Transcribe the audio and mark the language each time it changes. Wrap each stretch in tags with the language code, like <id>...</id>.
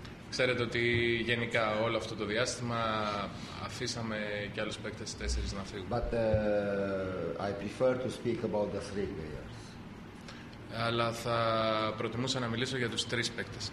<el>Ξέρετε ότι γενικά όλο αυτό το διάστημα αφήσαμε και άλλους παίκτες 4 να φύγουν.</el> <en>But I prefer to speak about the 3 players.</en> <el>Αλλά θα προτιμούσα να μιλήσω για τους 3 παίκτες.</el>